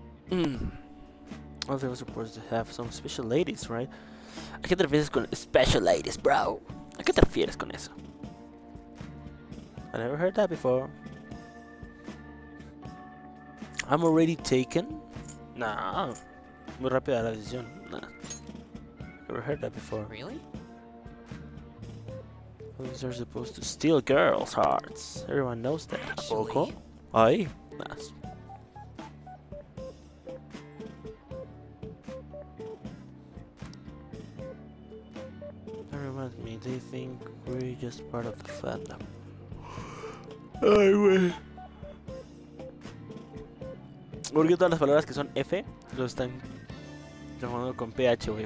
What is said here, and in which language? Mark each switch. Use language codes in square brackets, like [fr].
[en] Well, they were supposed to have some special ladies, right? [es] ¿A qué te refieres con [en] special ladies, [es] bro? ¿A qué te refieres con eso? [en] I never heard that before. I'm already taken? Nah. [es] Muy rápida la decisión. [en] Nah. Never heard that before. Really? Boys are supposed to steal girls' hearts. Everyone knows that. [es] Poco? [en] Ay. Nice. Reminds me, they think we're just part of the fandom. [es] Ay, wey. Porque todas las palabras que son F lo están llamando con PH, wey.